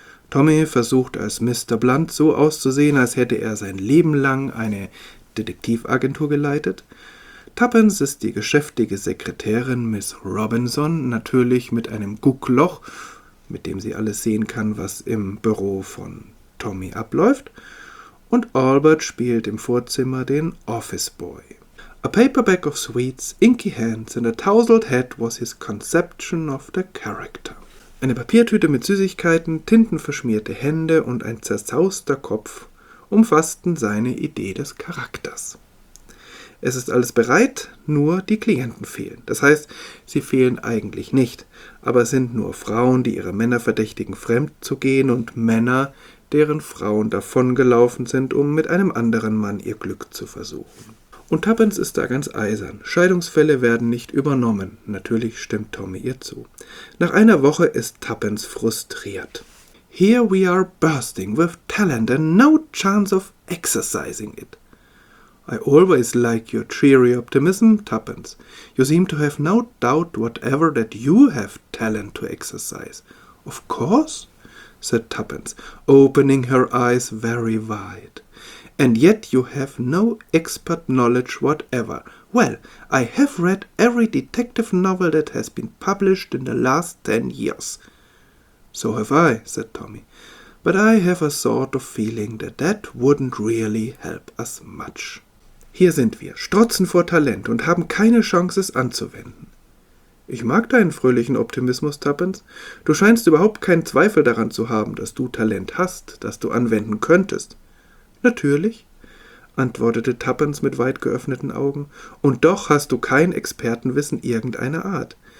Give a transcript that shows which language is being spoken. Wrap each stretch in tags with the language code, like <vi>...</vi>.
<de>Tommy versucht als Mr. Blunt so auszusehen, als hätte er sein Leben lang eine Detektivagentur geleitet. Tuppence ist die geschäftige Sekretärin Miss Robinson, natürlich mit einem Guckloch, mit dem sie alles sehen kann, was im Büro von Tommy abläuft. Und Albert spielt im Vorzimmer den Office Boy.</de> <en>A paperback of sweets, inky hands and a tousled head was his conception of the character.</en> <de>Eine Papiertüte mit Süßigkeiten, tintenverschmierte Hände und ein zerzauster Kopf umfassten seine Idee des Charakters. Es ist alles bereit, nur die Klienten fehlen. Das heißt, sie fehlen eigentlich nicht, aber es sind nur Frauen, die ihre Männer verdächtigen, fremd zu gehen und Männer, deren Frauen davongelaufen sind, um mit einem anderen Mann ihr Glück zu versuchen. Und Tuppence ist da ganz eisern. Scheidungsfälle werden nicht übernommen. Natürlich stimmt Tommy ihr zu. Nach einer Woche ist Tuppence frustriert.</de> <en>Here we are bursting with talent and no chance of exercising it. I always like your cheery optimism, Tuppence. You seem to have no doubt whatever that you have talent to exercise. Of course, said Tuppence, opening her eyes very wide. And yet you have no expert knowledge whatever. Well, I have read every detective novel that has been published in the last 10 years. So have I, said Tommy. But I have a sort of feeling that that wouldn't really help us much.</en> <de>Hier sind wir, strotzen vor Talent und haben keine Chance, es anzuwenden. Ich mag deinen fröhlichen Optimismus, Tuppence. Du scheinst überhaupt keinen Zweifel daran zu haben, dass du Talent hast, das du anwenden könntest. Natürlich, antwortete Tuppence mit weit geöffneten Augen, und doch hast du kein Expertenwissen irgendeiner Art.</de>